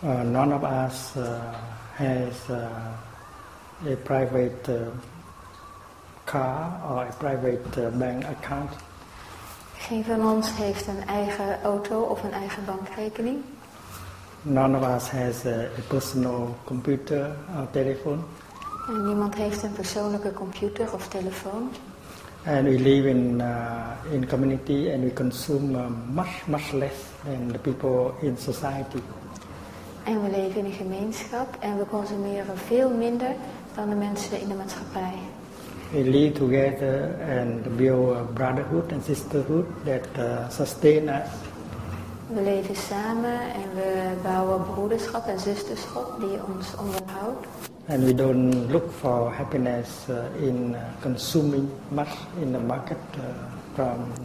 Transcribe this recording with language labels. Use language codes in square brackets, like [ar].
[en] None of us has a private car or a private bank account. [nl] Geen van ons heeft een eigen auto of een eigen bankrekening. [en] None of us has a personal computer or telephone. [nl] En niemand heeft een persoonlijke computer of telefoon. [en] And we live in community and we consume much less than the people in society. [nl] En we leven in een gemeenschap en we consumeren veel minder dan de mensen in de maatschappij. [en] We live together and build a brotherhood and sisterhood that sustain us. [nl] We leven samen en we bouwen broederschap en zusterschap die ons onderhoudt. [en] And we don't look for happiness in consuming much in the market from